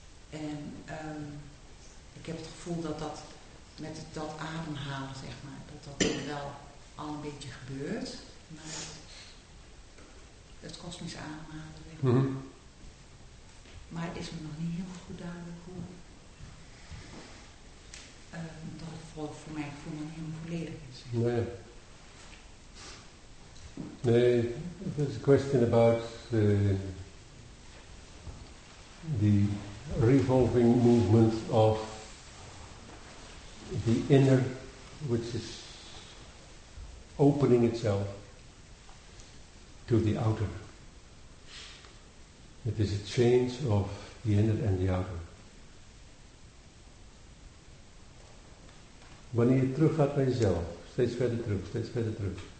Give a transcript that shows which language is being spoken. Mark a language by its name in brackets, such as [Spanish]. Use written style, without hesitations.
[Dutch] En ik heb het gevoel dat dat met dat ademhalen, zeg maar, dat wel al een beetje gebeurt. Maar het kosmische ademhalen, zeg maar. Maar het is me nog niet heel goed duidelijk hoe. Dat het voor mijn gevoel nog niet helemaal volledig is. Nee. [English] Nee, there's a question about the revolving movement of the inner, which is opening itself to the outer. It is a change of the inner and the outer. [Dutch] Wanneer je terug gaat naar jezelf, steeds verder terug, steeds verder terug.